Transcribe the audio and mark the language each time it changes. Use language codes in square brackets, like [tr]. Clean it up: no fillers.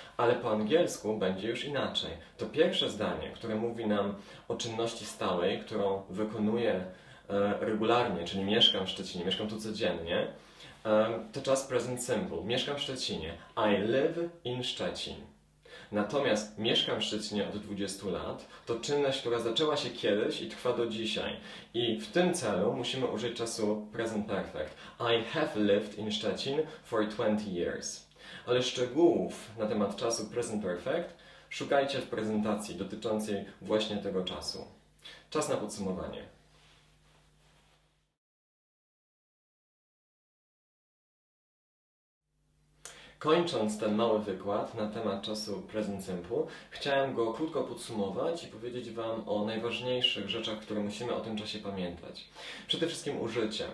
[pl] Ale po angielsku będzie już inaczej. To pierwsze zdanie, które mówi nam o czynności stałej, którą wykonuje regularnie, czyli mieszkam w Szczecinie, mieszkam tu codziennie, to czas present simple. Mieszkam w Szczecinie. [en] I live in Szczecin. [pl] Natomiast mieszkam w Szczecinie od 20 lat to czynność, która zaczęła się kiedyś i trwa do dzisiaj. I w tym celu musimy użyć czasu present perfect. [en] I have lived in Szczecin for 20 years. [pl] Ale szczegółów na temat czasu present perfect szukajcie w prezentacji dotyczącej właśnie tego czasu. Czas na podsumowanie. Kończąc ten mały wykład na temat czasu present simple, chciałem go krótko podsumować i powiedzieć Wam o najważniejszych rzeczach, które musimy o tym czasie pamiętać. Przede wszystkim użycie.